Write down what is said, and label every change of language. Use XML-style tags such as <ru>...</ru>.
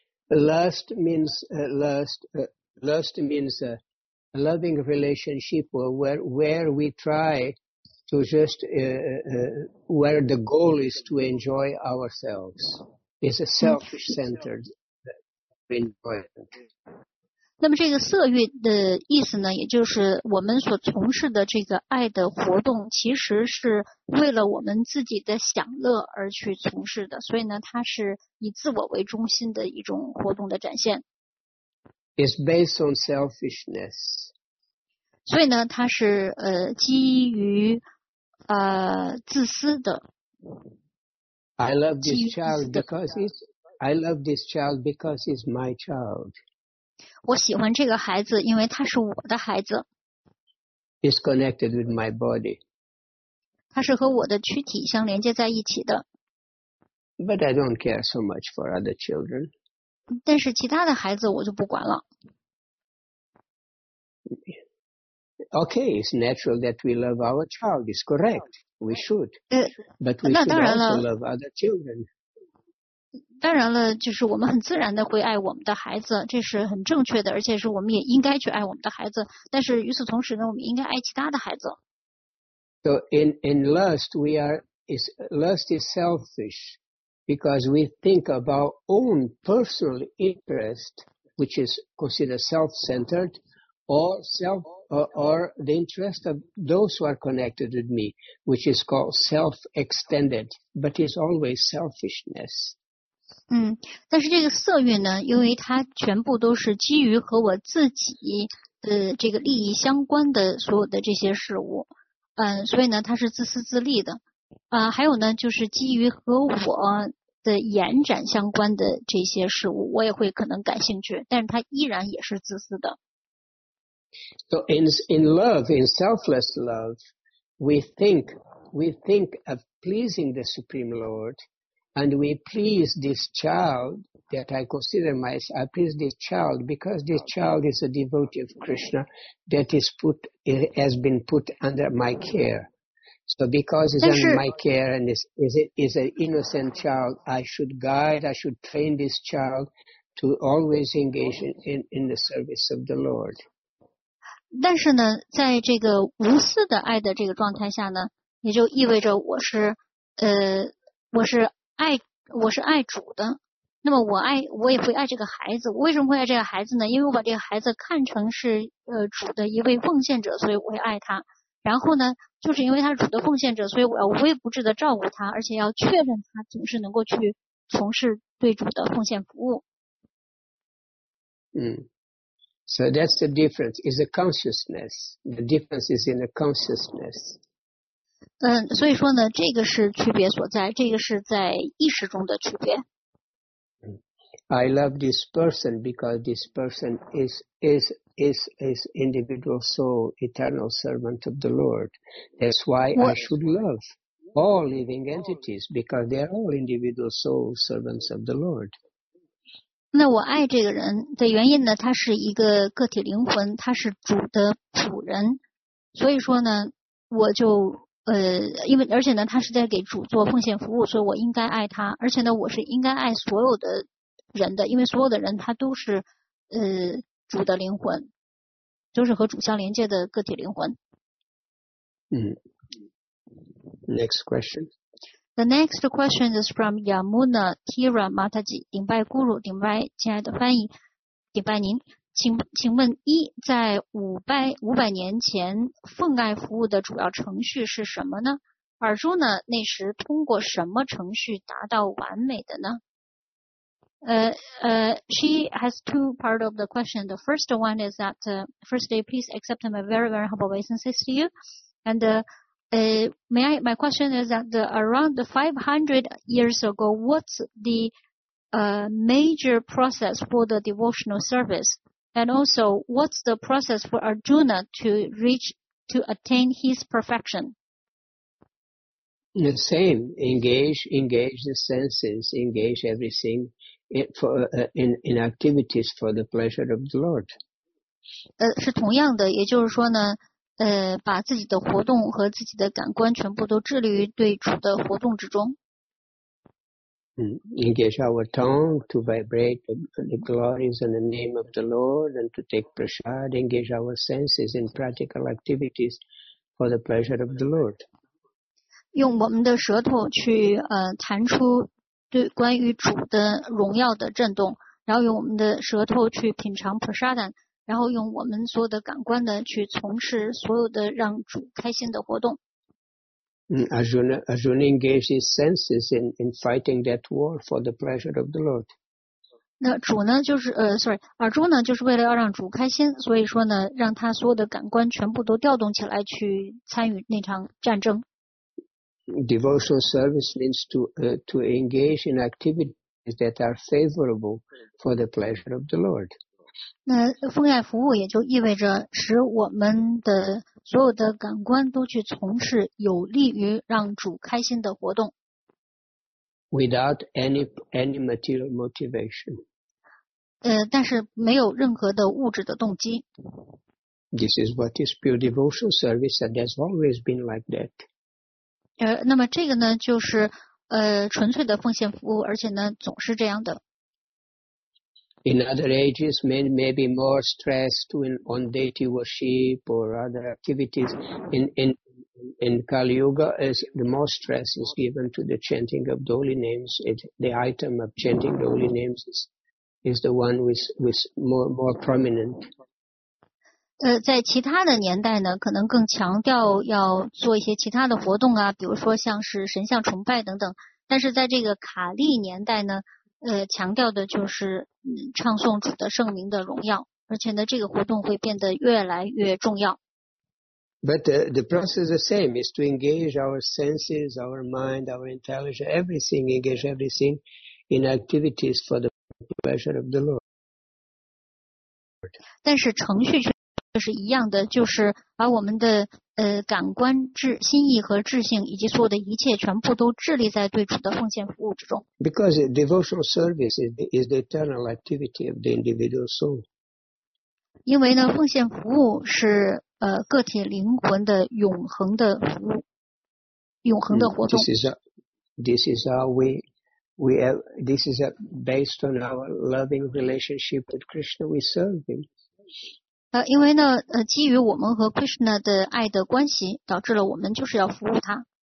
<en>Lust means a loving relationship where we try to just where the goal is to enjoy ourselves. It's a selfish centered enjoyment.</en> <zh>那么这个色欲的意思呢，也就是我们所从事的这个爱的活动，其实是为了我们自己的享乐而去从事的，所以呢，它是以自我为中心的一种活动的展现。</zh> <en>It's based on selfishness.</en> <zh>所以呢，它是基于自私的。</zh> <en>I love this child because it's my child.</en> <zh>我喜欢这个孩子，因为他是我的孩子。</zh> <en>It's connected with my body.</en> <zh>他是和我的躯体相连接在一起的。</zh> <en>But I don't care so much for other children.</en> <zh>但是其他的孩子我就不管了。</zh> <en>Okay, it's natural that we love our child. It's correct. We should. But we should also love other children.</en> <zh>当然了，就是我们很自然的会爱我们的孩子，这是很正确的，而且是我们也应该去爱我们的孩子。但是与此同时呢，我们应该爱其他的孩子。</zh> <en>So in lust, lust is selfish because we think about own personal interest, which is considered self-centered, or the interest of those who are connected with me, which is called self-extended, but is always selfishness.</en> <zh>但是这个色欲呢，因为它全部都是基于和我自己的这个利益相关的所有的这些事物，所以呢，它是自私自利的，还有呢，就是基于和我的延展相关的这些事物，我也会可能感兴趣，但是它依然也是自私的。</zh> <en>So in love, in selfless love, we think of pleasing the Supreme Lord. And we please this child that I consider myself, I please this child because this child is a devotee of Krishna that is put, it has been put under my care. So because it's under my care and is an innocent child, I should train this child to always engage in the service of the Lord.</en> <zh>但是呢，在这个无私的爱的这个状态下呢，也就意味着我是爱主的，那么我也会爱这个孩子。我为什么会爱这个孩子呢？因为我把这个孩子看成是主的一位奉献者，所以我会爱他。然后呢，就是因为他是主的奉献者，所以我要无微不至的照顾他，而且要确认他总是能够去从事对主的奉献服务。</zh> <en>So that's the difference. Is a consciousness. The difference is in the consciousness.</en> <zh>所以说呢，这个是区别所在，这个是在意识中的区别。</zh> <en>I love this person because this person is individual soul, eternal servant of the Lord. That's why I should love all living entities because they are all individual souls, servants of the Lord.</en> <zh>那我爱这个人的原因呢，他是一个个体灵魂，他是主的仆人，所以说呢，我就。因为而且呢，他是在给主做奉献服务，所以我应该爱他。而且呢，我是应该爱所有的人的，因为所有的人他都是主的灵魂，都是和主相连接的个体灵魂。</zh> <en>Next question. The next question is from Yamuna Tira Mataji.</en> <zh>顶拜 Guru, 顶拜亲爱的翻译，顶拜您。请问一，在五百年前奉爱服务的主要程序是什么呢？尔朱呢，那时通过什么程序达到完美的呢？</zh> <en>She has two part of the question. The first one is that firstly, please accept my very very humble obeisances to you. And my question is that around 500 years ago, what's the major process for the devotional service? And also, what's the process for Arjuna to attain his perfection? The same. Engage the senses, engage everything in activities for the pleasure of the Lord.</en> <zh>是同样的，也就是说呢，把自己的活动和自己的感官全部都致力于对处的活动之中。</zh> <en>Mm, engage our tongue to vibrate the glories and the name of the Lord and to take prasad, engage our senses in practical activities for the pleasure of the Lord.</en> <zh>用我们的舌头去弹出对关于主的荣耀的震动，然后用我们的舌头去品尝 prasad, 然后用我们所有的感官的去从事所有的让主开心的活动。</zh> <en>Arjuna engaged his senses in fighting that war for the pleasure of the Lord.</en> <zh>那主呢就是尔朱呢就是为了要让主开心，所以说呢让他所有的感官全部都调动起来去参与那场战争。</zh> <en>Devotional service means to engage in activities that are favorable for the pleasure of the Lord.</en> <zh>那奉献服务也就意味着使我们的所有的感官都去从事有利于让主开心的活动。</zh> <en>Without any material motivation.</en> <zh>但是没有任何的物质的动机。</zh> <en>This is what is pure devotional service, and has always been like that.</en> <zh>那么这个呢，就是纯粹的奉献服务，而且呢，总是这样的。</zh> <en>In other ages, men may be more stressed on deity worship or other activities. In Kali Yuga, the more stress is given to the chanting of the holy names. The item of chanting the holy names is the one with more prominent.</en> <zh>在其他的年代呢，可能更强调要做一些其他的活动啊，比如说像是神像崇拜等等。但是在这个卡利年代呢，强调的就是唱诵主的圣名的荣耀，而且呢这个活动会变得越来越重要。</zh> <en>But the process is the same, is to engage our senses, our mind, our intelligence, everything, engage everything in activities for the pleasure of the Lord.</en> <zh>但是程序却是一样的，就是把我们的感官、心意和智性以及所有的一切全部都致力在对主的奉献服务之中。</zh> <en>Because devotional service is the eternal activity of the individual soul.</en> <zh>因为呢，奉献服务是个体灵魂的永恒的服务，永恒的活动。</zh> <en>This is based on our loving relationship with Krishna. We serve him.</en> <zh>因为呢，基于我们和 Krishna 的爱的关系，导致了我们就是要服务他。</zh>